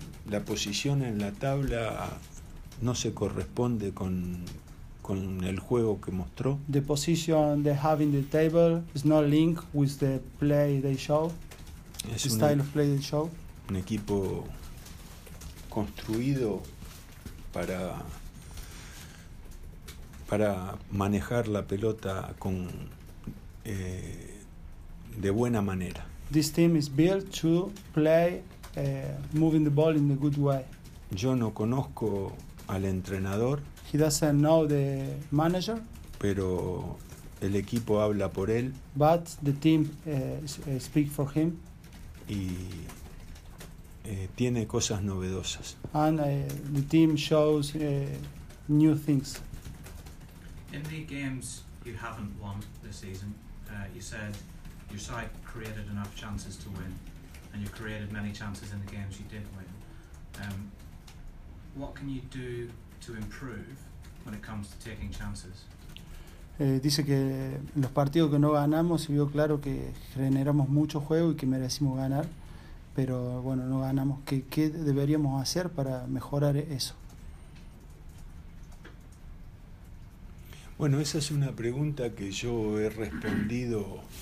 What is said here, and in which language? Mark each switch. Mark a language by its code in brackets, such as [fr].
[es] La posición en la tabla no se corresponde con el juego que mostró. [en] The position they have in the table is not linked with the play they show. [es] Es [en] the style of play they show. [es] Un equipo construido para manejar la pelota con de buena manera. [en] This team is built to play moving the ball in a good way. [es] Yo no conozco al entrenador. [en] He doesn't know the manager. [es] Pero el equipo habla por él. [en] But the team speaks for him. [es] Y tiene cosas novedosas. [en] And the team shows new things. In the games you haven't won this season, you said your side created enough chances to win. And you created many chances in the games you did win. What can you do to improve when it comes to taking chances? [es] Dice que en los partidos que no ganamos se vio claro que generamos mucho juego y que merecimos ganar, pero bueno, no ganamos. ¿Qué deberíamos hacer para mejorar eso? Bueno, esa es una pregunta que yo he respondido.